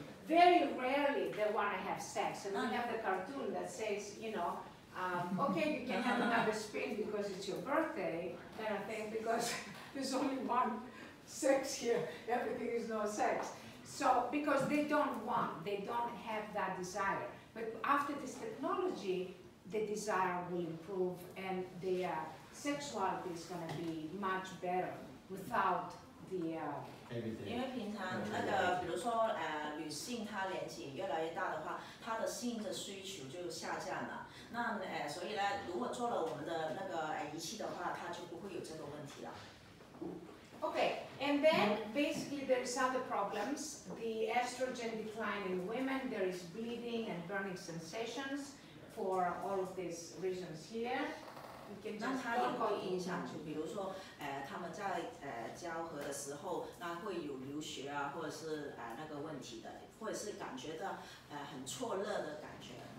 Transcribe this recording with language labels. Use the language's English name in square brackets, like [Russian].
[English] Very rarely they want to have sex. And we have the cartoon that says, you know, okay, you can have another spin because it's your birthday, kind of thing, because there's only one sex here. Everything is no sex. So, because they don't want, they don't have that desire. But after this technology, the desire will improve and their sexuality is going to be much better without Everything. [Chinese] 因为平常那个，比如说女性她年纪越来越大的话，她的性的需求就下降了。那所以呢，如果做了我们的那个仪器的话，她就不会有这个问题了。 [English] Okay, and then basically there is other problems. The estrogen decline in women, there is bleeding and burning sensations for all of these reasons here. You can just talk about it. [Chinese] 那它也会影响，就比如说，他们在交合的时候，那会有流血啊，或者是那个问题的，或者是感觉到很错热的感觉。